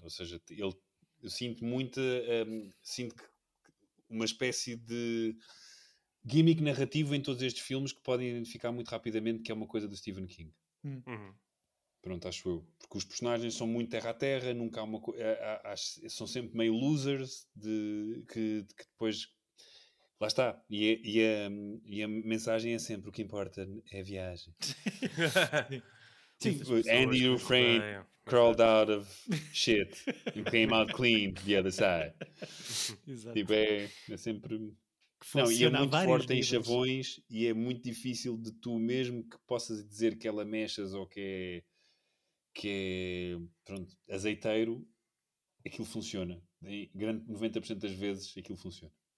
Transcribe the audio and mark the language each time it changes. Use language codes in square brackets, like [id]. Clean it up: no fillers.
[pt] Ou seja, eu sinto muito sinto que uma espécie de gimmick narrativo em todos estes filmes que podem identificar muito rapidamente que é uma coisa do Stephen King. Pronto, acho eu, porque os personagens são muito terra a terra, nunca há uma são sempre meio losers que depois... Lá está. E a mensagem é sempre: o que importa é a viagem. Tipo, [en] Andy Dufresne crawled out of shit and came out clean the other side. [pt] Exato. Tipo, é sempre... Não, e é muito forte em chavões, e é muito difícil de tu, mesmo que possas dizer que ela mexas ou que é pronto, azeiteiro, aquilo funciona. Em grande 90% das vezes aquilo funciona.